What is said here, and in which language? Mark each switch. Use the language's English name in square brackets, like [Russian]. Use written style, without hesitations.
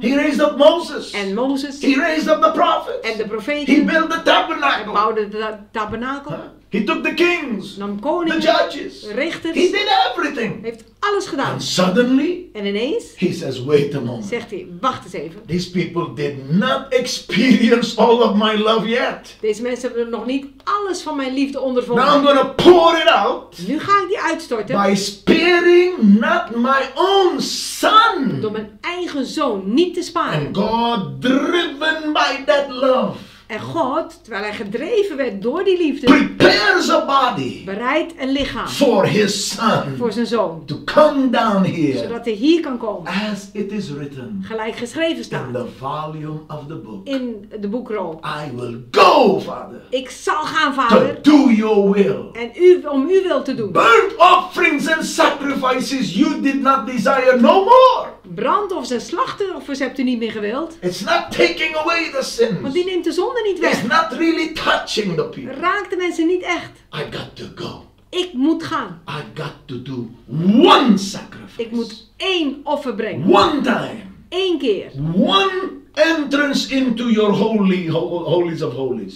[English] He raised up Moses. [Dutch] En Moses. [English] He raised up the prophets. [Dutch] En de profeten. [English] He built the tabernacle. [Dutch] Hij bouwde de tabernakel. [English] He took the kings. [Dutch] Nam koningen. [English] The judges. [Dutch] Richters. [English] He did everything. [Dutch] Heeft alles gedaan. [English] And suddenly. [Dutch] En ineens. [English] He says, wait a moment. [Dutch] Zegt hij, wacht eens even. [English] These people did not experience all of my love yet. [Dutch] Deze mensen hebben nog niet alles van mijn liefde ondervonden. [English] Now I'm gonna pour it out. [Dutch] Nu ga ik die uitstorten. [English] By sparing not my own son. [Dutch] Door mijn eigen zoon niet te sparen. [English] And God driven by that love. [Dutch] En God, terwijl hij gedreven werd door die liefde, [English] prepares a body, [Dutch] bereidt een lichaam [English] for his son, [Dutch] voor zijn zoon, [English] to come down here, [Dutch] zodat hij hier kan komen, [English] as it is written, [Dutch] gelijk geschreven staat [English] in, the volume of the book, [Dutch] in de boekrol. [English] I will go, Father, [Dutch] ik zal gaan, Vader, [English] to do your will, [Dutch] en om uw wil te doen. [English] Burnt offerings and sacrifices you did not desire no more. [Dutch] Brandoffers en slachtoffers hebt u niet meer gewild. [English] It's not taking away the sins. [Dutch] Want die neemt de zonde niet weg. [English] It's not really touching the people. [Dutch] Raakt de mensen niet echt. [English] I got to go. [Dutch] Ik moet gaan. [English] I got to do one sacrifice. [Dutch] Ik moet één offer brengen. [English] One time. [Dutch] Eén keer. [English] One entrance into your holy, holies of holies.